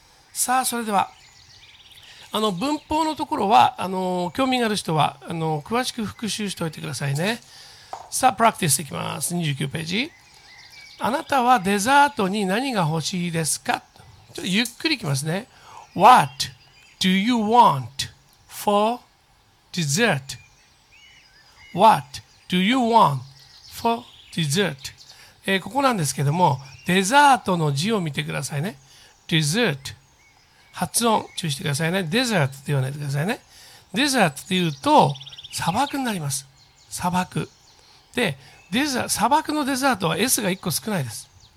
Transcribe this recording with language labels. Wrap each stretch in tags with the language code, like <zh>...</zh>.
<ja>さあ、それでは、あの文法のところは、あの興味がある人は、あの詳しく復習しておいてくださいね。さあ、プラクティスいきます。29ページ。あなたはデザートに何が欲しいですか？ちょっとゆっくりいきますね。</ja> <en>What do you want for dessert? What do you want for dessert?</en> <ja>ここなんですけども、デザートの字を見てくださいね。</ja> <en>Dessert。</en> <ja>発音注意してくださいね。Dessert って言わないでくださいね。Dessert って言うと、砂漠になります。砂漠。で、砂漠のデザートは S が1個少ないです。</ja>